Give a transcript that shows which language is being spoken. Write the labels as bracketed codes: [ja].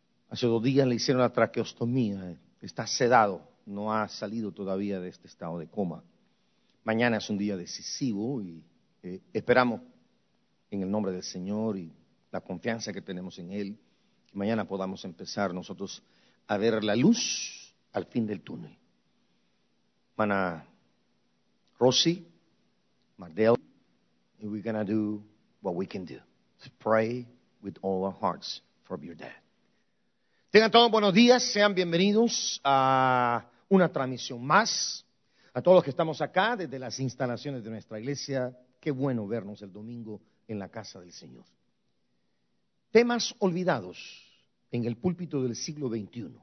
[es] Hace 2 días le hicieron la traqueostomía. Está sedado, no ha salido todavía de este estado de coma. Mañana es un día decisivo y esperamos en el nombre del Señor y la confianza que tenemos en Él, que mañana podamos empezar nosotros a ver la luz al fin del túnel. [en] Mana Rossi, Mardell, we're going to do what we can do. To pray with all our hearts for your dad. [es] Tengan todos buenos días, sean bienvenidos a una transmisión más. A todos los que estamos acá desde las instalaciones de nuestra iglesia, qué bueno vernos el domingo en la casa del Señor. Temas olvidados en el púlpito del siglo XXI.